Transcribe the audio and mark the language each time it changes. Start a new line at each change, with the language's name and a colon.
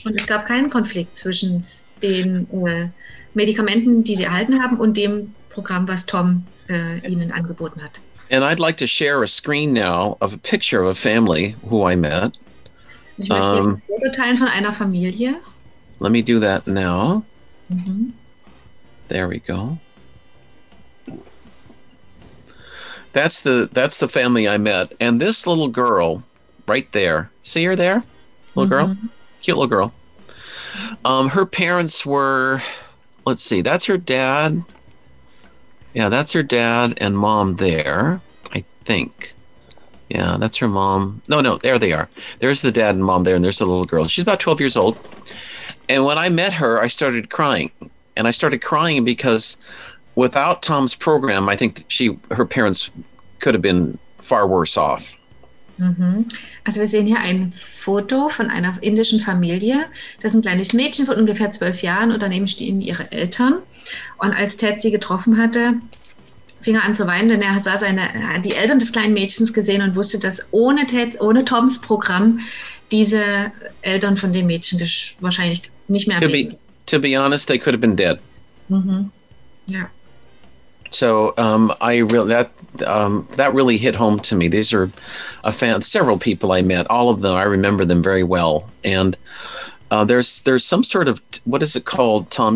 German: Und es gab keinen Konflikt zwischen den Medikamenten, die sie erhalten haben, und dem Programm, was Tom ihnen angeboten hat.
English: And I'd like to share a screen now of a picture of a family who I met.
German: Ich möchte jetzt ein Foto teilen von einer Familie.
English: Let me do that now. Mm-hmm. There we go. That's the family I met, and this little girl right there. See her there? Little mm-hmm. girl? Cute little girl. Her parents were, let's see, that's her dad. Yeah, that's her dad and mom there, I think. Yeah, that's her mom. No, there they are. There's the dad and mom there, and there's the little girl. She's about 12 years old. And when I met her, I started crying. And I started crying because without Tom's program, I think her parents could have been far worse off. Mhm.
German: Also wir sehen hier ein Foto von einer indischen Familie. Das ist ein kleines Mädchen von ungefähr 12 Jahren und daneben stehen ihre Eltern. Und als Ted sie getroffen hatte, fing er an zu weinen, denn er sah die Eltern des kleinen Mädchens gesehen und wusste, dass ohne Toms Programm diese Eltern von dem Mädchen wahrscheinlich nicht mehr leben.
English: To be honest, they could have been dead.
German: Mhm. Ja.
English: So that really hit home to me. These are several people I met. All of them, I remember them very well. And there's some sort of, what is it called, Tom?